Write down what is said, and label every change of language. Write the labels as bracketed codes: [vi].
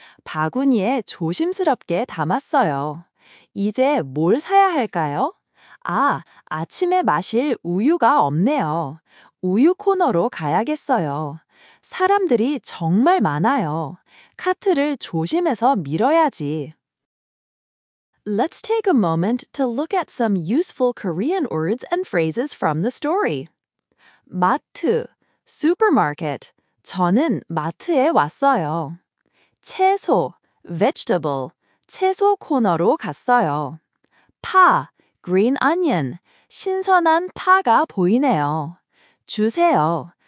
[ko] 바구니에 조심스럽게 담았어요. 이제 뭘 사야 할까요? 아, 아침에 마실 우유가 없네요. 우유 코너로 가야겠어요. 사람들이 정말 많아요. 카트를 조심해서 밀어야지. [en] Let's take a moment to look at some useful Korean words and phrases from the story. [ko] 마트, supermarket. 저는 마트에 왔어요. 채소, vegetable. 채소 코너로 갔어요. 파, green onion. 신선한 파가 보이네요. 주세요.